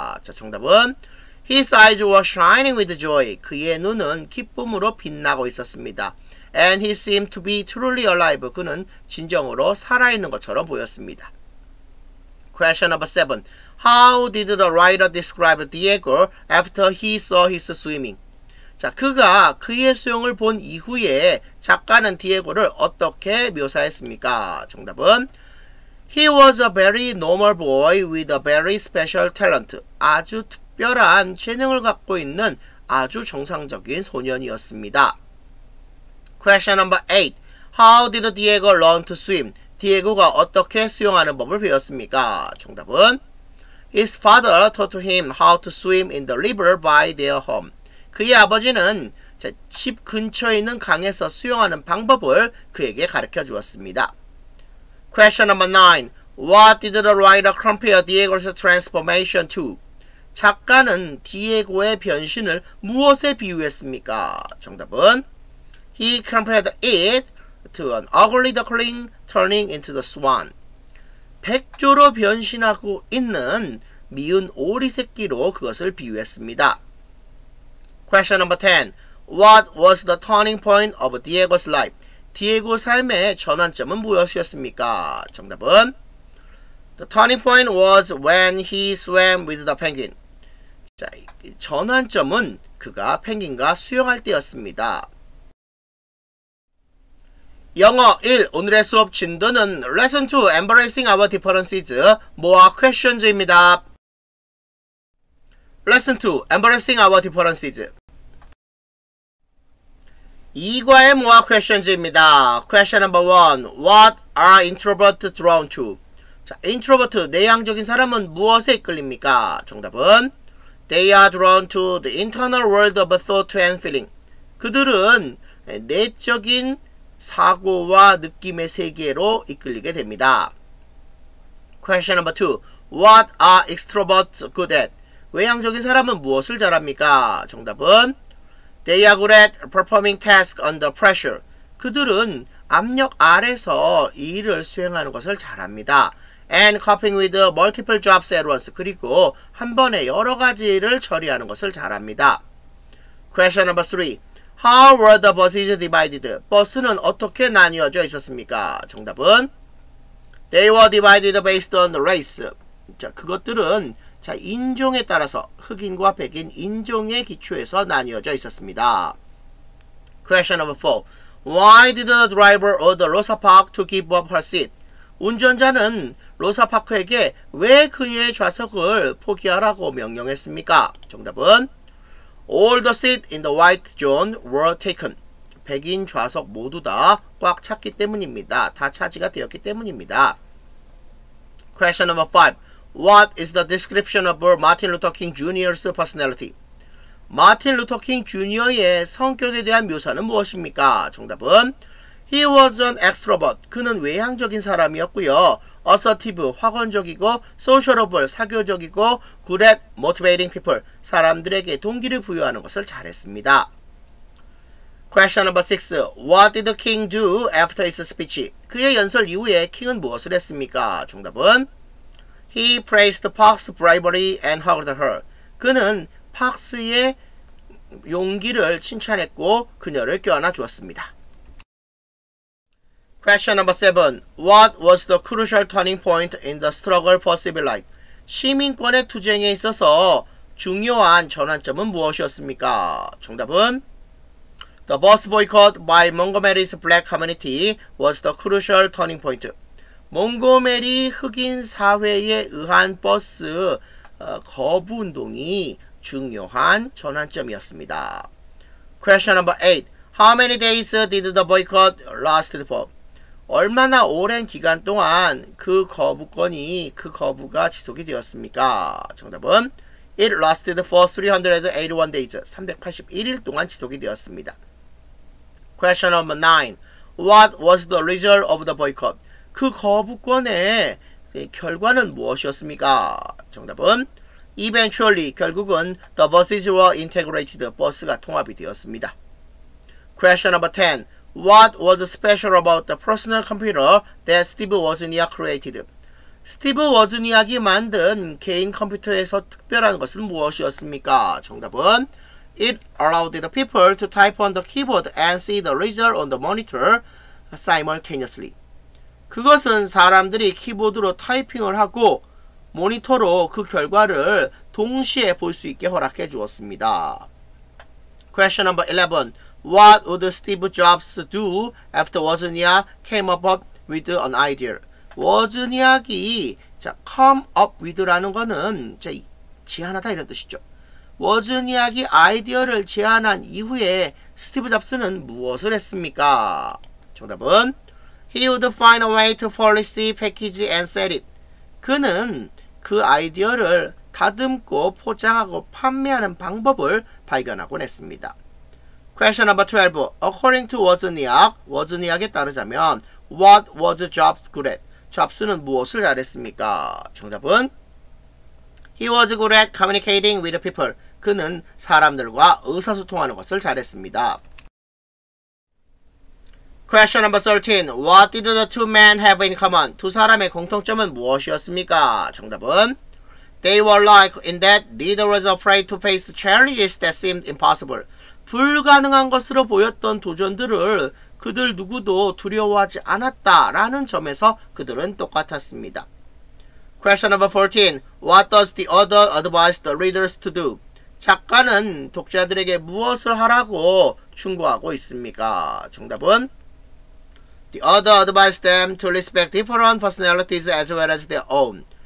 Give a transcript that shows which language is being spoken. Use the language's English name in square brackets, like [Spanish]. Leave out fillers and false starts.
[Korean] 자, 정답은 [English] His eyes were shining with joy. [Korean] 그의 눈은 기쁨으로 빛나고 있었습니다. [English] And he seemed to be truly alive. [Korean] 그는 진정으로 살아있는 것처럼 보였습니다. [English] Question number 7. How did the writer describe Diego after he saw his swimming? [Korean] 자, 그가 그의 수영을 본 이후에 작가는 디에고를 어떻게 묘사했습니까? 정답은 [English] He was a very normal boy with a very special talent. [Korean] 아주 특별한 재능을 갖고 있는 아주 정상적인 소년이었습니다. [English] Question number 8. How did Diego learn to swim? [Korean] 디에고가 어떻게 수영하는 법을 배웠습니까? 정답은 [English] His father taught him how to swim in the river by their home. [Korean] 그의 아버지는 집 근처에 있는 강에서 수영하는 방법을 그에게 가르쳐 주었습니다. [English] Question number 9. What did the writer compare Diego's transformation to? [Korean] 작가는 디에고의 변신을 무엇에 비유했습니까? 정답은 [English] He compared it to an ugly duckling turning into the swan. [Korean] 백조로 변신하고 있는 미운 오리 새끼로 그것을 비유했습니다. [English] Question number 10. What was the turning point of Diego's life? [Korean] 디에고 삶의 전환점은 무엇이었습니까? 정답은 [English] The turning point was when he swam with the penguin. [Korean] 자, 전환점은 그가 펭귄과 수영할 때였습니다. 영어 1. 오늘의 수업 진도는 [English] Lesson 2. Embracing our differences. More questions [Korean] 입니다. [English] Lesson 2. Embracing our differences. [Korean] 2과의 More questions입니다. [English] Question number 1. What are introverts drawn to? [Korean] 자, introvert, 내향적인 사람은 무엇에 이끌립니까? 정답은 [English] They are drawn to the internal world of thought and feeling. [Korean] 그들은 내적인 사고와 느낌의 세계로 이끌리게 됩니다. [English] Question number two. What are extroverts good at? [Korean] 외향적인 사람은 무엇을 잘합니까? 정답은 [English] They are good at performing tasks under pressure. [Korean] 그들은 압력 아래서 일을 수행하는 것을 잘합니다. [English] And coping with multiple jobs at once. [Korean] 그리고 한 번에 여러 가지 일을 처리하는 것을 잘합니다. [English] Question number three. How were the buses divided? [Korean] 버스는 어떻게 나뉘어져 있었습니까? 정답은 [English] They were divided based on race. [Korean] 자, 그것들은 자 인종에 따라서 흑인과 백인 인종의 기초에서 나뉘어져 있었습니다. [English] Question number four. Why did the driver order Rosa Parks to give up her seat? [Korean] 운전자는 로사 파크에게 왜 그의 좌석을 포기하라고 명령했습니까? 정답은 [English] All the seats in the white zone were taken. [Korean] 백인 좌석 모두 다 꽉 찼기 때문입니다. 다 차지가 되었기 때문입니다. [English] Question number 5. What is the description of Martin Luther King Jr.'s personality? [Korean] 마틴 루터 킹 주니어의 성격에 대한 묘사는 무엇입니까? 정답은 [English] He was an extrovert. [Korean] 그는 외향적인 사람이었고요. [English] Assertive, [Korean] 확언적이고, [English] sociable, [Korean] 사교적이고, [English] good at motivating people. [Korean] 사람들에게 동기를 부여하는 것을 잘했습니다. [English] Question number 6. What did King do after his speech? [Korean] 그의 연설 이후에 킹은 무엇을 했습니까? 정답은 [English] He praised Park's bravery and hugged her. [Korean] 그는 Park's의 용기를 칭찬했고 그녀를 껴안아 주었습니다. [English] Question number 7. What was the crucial turning point in the struggle for civil rights? [Korean] 시민권의 투쟁에 있어서 중요한 전환점은 무엇이었습니까? 정답은 [English] The bus boycott by Montgomery's black community was the crucial turning point. [Korean] 몽고메리 흑인 사회에 의한 버스 거부 운동이 중요한 전환점이었습니다. [English] Question number 8. How many days did the boycott last for? [Korean] 얼마나 오랜 기간 동안 그 거부가 지속이 되었습니까? 정답은 [English] It lasted for 381 days. [Korean] 381일 동안 지속이 되었습니다. [English] Question number 9. What was the result of the boycott? [Korean] 그 거부권의 결과는 무엇이었습니까? 정답은 [English] Eventually, [Korean] 결국은 [English] The buses were integrated. [Korean] 버스가 통합이 되었습니다. [English] Question number 10. What was special about the personal computer that Steve Wozniak created? [Korean] Steve Wozniak이 만든 개인 컴퓨터에서 특별한 것은 무엇이었습니까? 정답은 [English] It allowed the people to type on the keyboard and see the result on the monitor simultaneously. [Korean] 그것은 사람들이 키보드로 타이핑을 하고 모니터로 그 결과를 동시에 볼 수 있게 허락해 주었습니다. [English] Question number 11. What would Steve Jobs do after Wozniak came up with an idea? [Korean] Wozniak이 come up with라는 거는 제안하다 이런 뜻이죠. Wozniak이 아이디어를 제안한 이후에 스티브 잡스는 무엇을 했습니까? 정답은 [English] He would find a way to policy package and sell it. [Korean] 그는 그 아이디어를 다듬고 포장하고 판매하는 방법을 발견하곤 했습니다. [English] Question number 12. According to Wozniak, [Korean] Wozniak에 따르자면 [English] What was Jobs good at? [Korean] Jobs는 무엇을 잘했습니까? 정답은 [English] He was good at communicating with people. [Korean] 그는 사람들과 의사소통하는 것을 잘했습니다. [English] Question number 13. What did the two men have in common? [Korean] 두 사람의 공통점은 무엇이었습니까? 정답은 [English] They were like in that neither was afraid to face challenges that seemed impossible. [Korean] 불가능한 것으로 보였던 도전들을 그들 누구도 두려워하지 않았다라는 점에서 그들은 똑같았습니다. [English] Question number 14. What does the author advise the readers to do? [Korean] 작가는 독자들에게 무엇을 하라고 충고하고 있습니까? 정답은 [English] The author advised them to respect different personalities as well as their own.